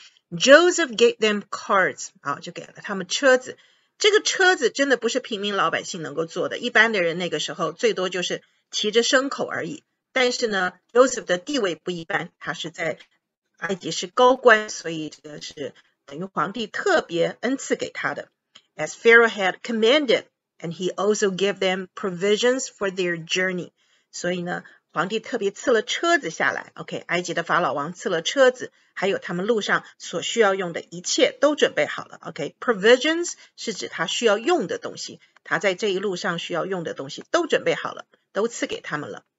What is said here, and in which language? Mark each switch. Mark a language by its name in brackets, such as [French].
[English] Joseph gave them carts. [Chinese] 好，就给了他们车子。这个车子真的不是平民老百姓能够坐的，一般的人那个时候最多就是骑着牲口而已。但是呢 ,Joseph 的地位不一般，他是在埃及是高官，所以这个是等于皇帝特别恩赐给他的。 [English] As Pharaoh had commanded, and he also gave them provisions for their journey. [Chinese] 所以呢，皇帝特别赐了车子下来。OK， 埃及的法老王赐了车子，还有他们路上所需要用的一切都准备好了。 OK， provisions 是指他需要用的东西，他在这一路上需要用的东西都准备好了，都赐给他们了。